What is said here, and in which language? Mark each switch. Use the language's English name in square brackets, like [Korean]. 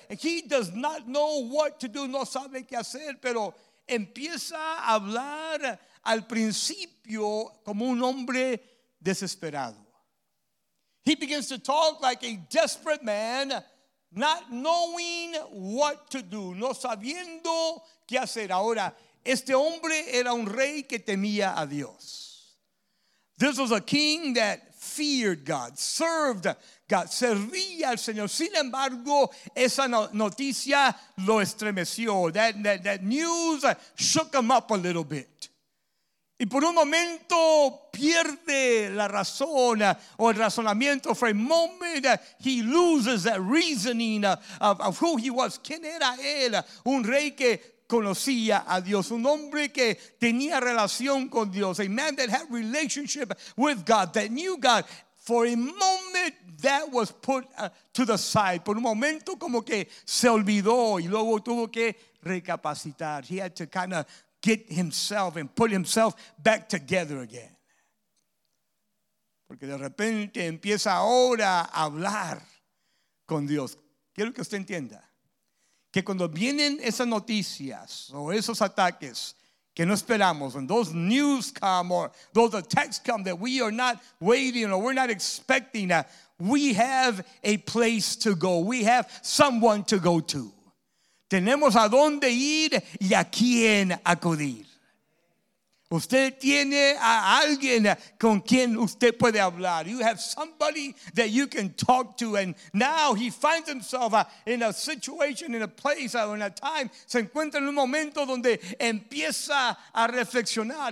[English] He does not know what to do. [Spanish] No sabe qué hacer, pero empieza a hablar al principio como un hombre desesperado. [English] He begins to talk like a desperate man. Not knowing what to do, [Spanish] no sabiendo qué hacer. Ahora, este hombre era un rey que temía a Dios. [English] This was a king that feared God, served God, [Spanish] servía al Señor. Sin embargo, esa noticia lo estremeció. [English] That news shook him up a little bit. [Spanish] Y por un momento pierde la razón o el razonamiento. [English] For a moment he loses that reasoning of who he was. [Spanish] ¿Quién era él? Un rey que conocía a Dios. Un hombre que tenía relación con Dios. [English] A man that had relationship with God, that knew God. For a moment that was put to the side. [Spanish] Por un momento como que se olvidó y luego tuvo que recapacitar. [English] He had to kind of get himself and put himself back together again. [Spanish] Porque de repente empieza ahora a hablar con Dios. Quiero que usted entienda que cuando vienen esas noticias o esos ataques que no esperamos, [English] when those news come or those attacks come that we are not waiting or we're not expecting, we have a place to go. We have someone to go to. [Spanish] Tenemos a dónde ir y a quién acudir. Usted tiene a alguien con quien usted puede hablar. [English] You have somebody that you can talk to. And now he finds himself in a situation, in a place, or in a time. [Spanish] Se encuentra en un momento donde empieza a reflexionar.